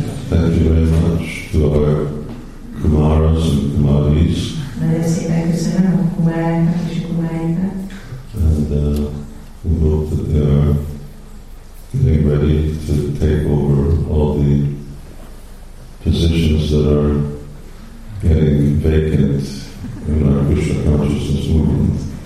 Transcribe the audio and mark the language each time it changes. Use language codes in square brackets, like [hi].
[en] Thank you very much to our Kumaras and Kumaris. [hu] Nagyon szépen köszönöm a Kumaráinkat és a Kumaráinkat. [en] We hope that they are getting ready to take over all the positions that are getting vacant in our Krishna consciousness movement.